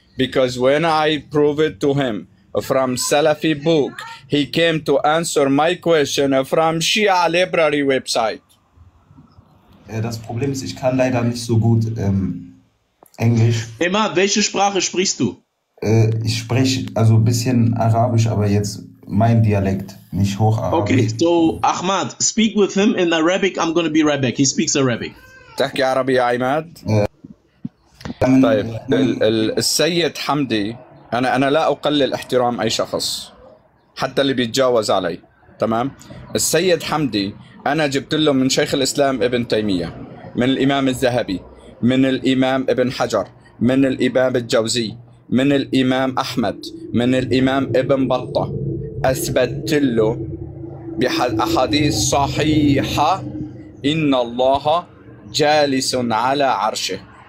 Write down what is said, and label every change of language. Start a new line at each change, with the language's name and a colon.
English: Because when I prove it to him from Salafi book, he came to answer my question from Schia library website.
German: Das Problem ist, ich kann leider nicht so gut Englisch. Emma, welche Sprache sprichst du? Ich spreche also ein bisschen Arabisch, aber jetzt mein Dialekt, nicht Hocharabisch.
English: Okay, so Ahmad, speak with him in Arabic, I'm gonna be right back. He speaks Arabic.
Arabic: Tahki Arabi, Ahmad. طيب, السيد حمدي, أنا لا أقلل احترام أي شخص, حتى اللي بيتجاوز علي, تمام؟ السيد حمدي, أنا جبت له من شيخ الإسلام ابن تيمية, من الإمام الذهبي, من الإمام ابن حجر, من الإمام الجوزي, من الإمام أحمد, من الإمام ابن بطة, أثبتت له بأحاديث صحيحة إن الله جالس على عرشه.